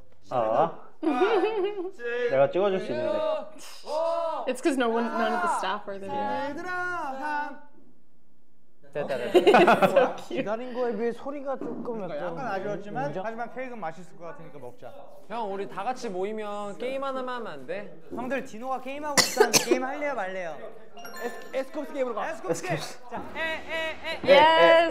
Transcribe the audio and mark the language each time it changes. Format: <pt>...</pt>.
<ko>아, 내가 찍어줄 수 있는데.</ko> <en>It's because no one, none of the staff are there.</en> <ko>얘들아, 함. 됐다. 기다린 거에 비해 소리가 조금 약간 아쉬웠지만, 하지만 케이크는 맛있을 것 같으니까 먹자. 형, 우리 다 같이 모이면 게임 하나만 하면 안 돼? 형들 디노가 게임 하고 있다는데 게임 할래요, 말래요? 에스코프스 게임으로 가. 에스코프스 게임. 자,</ko>